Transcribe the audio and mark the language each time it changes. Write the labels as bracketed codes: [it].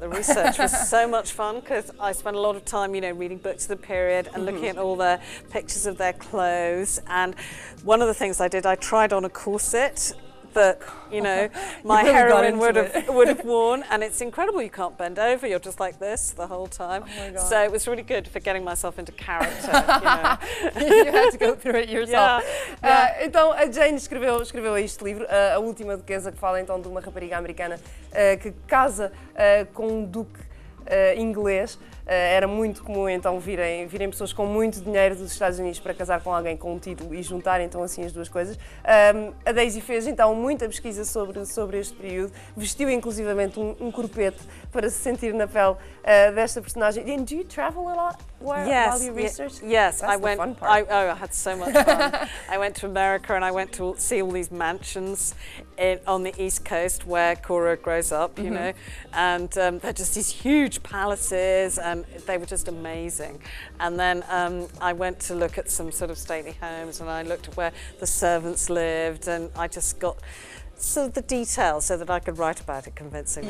[en] The research was so much fun because I spent a lot of time, you know, reading books of the period and, mm-hmm, looking at all the pictures of their clothes. And one of the things I did, I tried on a corset that, you know, my you really heroine would have worn, and it's incredible. You can't bend over, you're just like this the whole time. Oh my God. So it was really good for getting myself into character. You know. You had to go through it yourself. Yeah. [pt] Então a Jane escreveu este livro, A Última Duquesa, que fala então de uma rapariga americana que casa com um duque inglês. Era muito comum então virem pessoas com muito dinheiro dos Estados Unidos para casar com alguém com um título e juntar então assim as duas coisas. A Daisy fez então muita pesquisa sobre este período, vestiu inclusivamente um corpete para se sentir na pele desta personagem. [en] And do you travel a lot while you research? Yes, that's I had so much fun. I went to America and I went to see all these mansions on the East Coast where Cora grows up, you, mm-hmm, know, and they're just these huge palaces. And they were just amazing. And then I went to look at some sort of stately homes and I looked at where the servants lived and I just got sort of the details so that I could write about it convincingly.